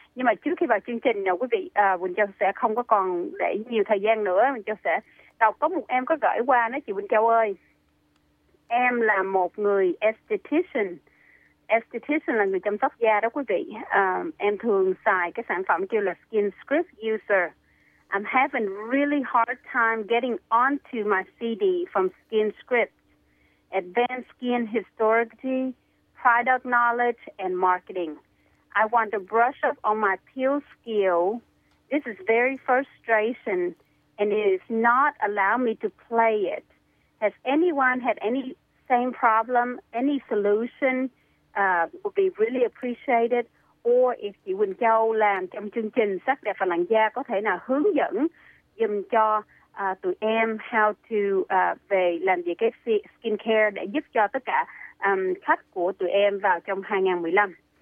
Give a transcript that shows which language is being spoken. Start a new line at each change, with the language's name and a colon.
Vietnamese: Nhưng mà trước khi vào chương trình, quý vị, Quỳnh Châu sẽ không có còn để nhiều thời gian nữa. Quỳnh Châu sẽ đọc, có một em có gửi qua nói, chị Quỳnh Châu ơi, em là một người esthetician. Esthetician là người chăm sóc da đó quý vị. Em thường xài cái sản phẩm kêu là Skin Script User.
English: I'm having really hard time getting onto my CD from Skin Script. Advanced Skin Historiography, Product Knowledge, and Marketing. I want to brush up on my peel skill. This is very frustration, and it is not allow me to play it. Has anyone had any same problem? Any solution would be really appreciated. Or if
Vietnamese: chị Quỳnh Châu làm trong chương trình sắc đẹp và làn da, có thể nào hướng dẫn giùm cho tụi em
English: how to
Vietnamese: về làm việc cái skin care để giúp cho tất cả khách của tụi em vào trong 2015.